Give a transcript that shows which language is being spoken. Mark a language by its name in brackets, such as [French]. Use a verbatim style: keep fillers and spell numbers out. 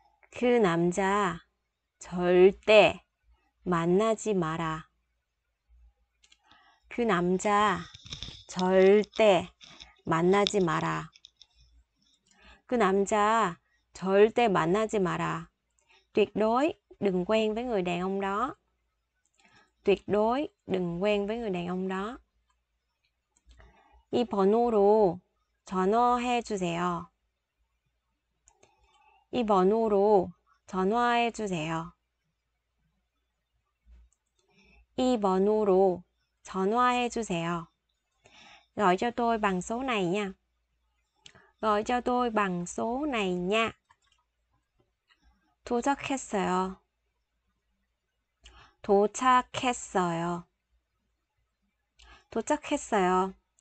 [Korean] 그 남자 절대 만나지 마라. 그 남자 절대 만나지 마라. 그 남자 절대 만나지 마라. [Vietnamese] Tuyệt đối đừng quen với người đàn ông đó. Tuyệt đối đừng quen với người đàn ông đó. [Korean] 이 번호로 전화해 주세요. 이 번호로 전화해 주세요. 이 번호로 전화해 주세요. [Vietnamese] Gọi cho tôi bằng số này nha. Gọi cho tôi bằng số này nha. [Korean] 도착했어요. 도착했어요. 도착했어요.